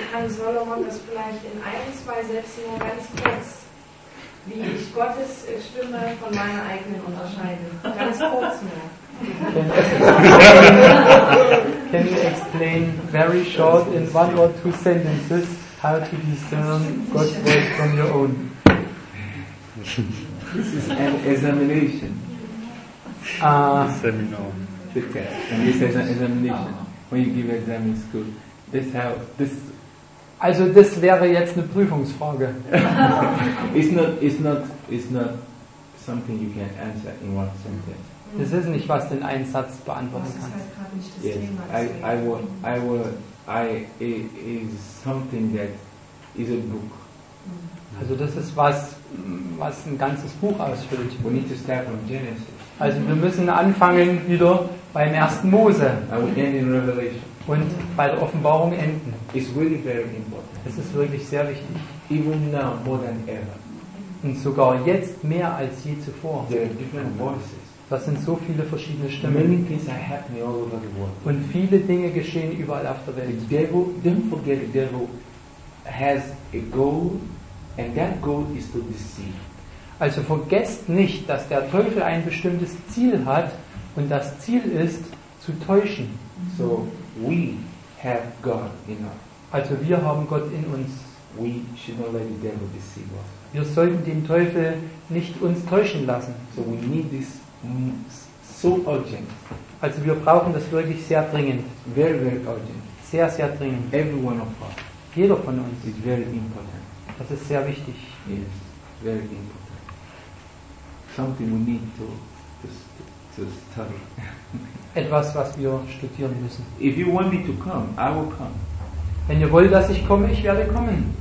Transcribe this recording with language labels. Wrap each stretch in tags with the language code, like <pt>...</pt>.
<de>Salomon das vielleicht in ein, zwei Sätzen nur ganz kurz, wie ich Gottes Stimme von meiner eigenen unterscheide. Ganz kurz nur.</de> <en>Can you explain very short in one or two sentences how to discern God's voice from your own? This is an examination. Seminar. The test. And this is an examination. When you give exam in school. This how this.</en> <de>Also das wäre jetzt eine Prüfungsfrage.</de> <en>It's not something you can answer in one sentence.</en> <de>Das ist nicht, was den einen Satz beantworten kann. Das ist halt gerade nicht das</de> <en>yes.</en> <de>Thema.</de> <en>It is something that is a book.</en> <de>Also das ist was, was ein ganzes Buch ausfüllt.</de> <en>We need to start from Genesis.</en> <de>Also wir müssen anfangen wieder beim ersten Mose.</de> <en>I will end in Revelation.</en> <de>Und bei der Offenbarung enden.</de> <en>It's really very important.</en> <de>Es ist wirklich sehr wichtig.</de> <en>Even now, more than ever.</en> <de>Und sogar jetzt mehr als je zuvor.</de> <en>There are different voices.</en> <de>Das sind so viele verschiedene Stimmen.</de> <en>Many things are happening all over the world.</en> <de>Und viele Dinge geschehen überall auf der Welt.</de> <en>The devil, don't forget, the devil has a goal, and that goal is to deceive.</en> <de>Also vergesst nicht, dass der Teufel ein bestimmtes Ziel hat, und das Ziel ist, zu täuschen.</de> <en>So we have God in us.</en> <de>Also wir haben Gott in uns.</de> <en>We should not let the devil deceive us.</en> <de>Wir sollten den Teufel nicht uns täuschen lassen.</de> <en>So we need this. So urgent.</en> <de>Also wir brauchen das wirklich sehr dringend.</de> <en>Very, very urgent.</en> <de>Sehr, sehr dringend.</de> <en>Every one of us.</en> <de>Jeder von uns.</de> <en>It's very important.</en> <de>Das ist sehr wichtig.</de> <en>Yes, very important. Something we need to study.</en> <de>Etwas, was wir studieren müssen.</de> <en>If you want me to come, I will come.</en> <de>Wenn ihr wollt, dass ich komme, ich werde kommen.</de>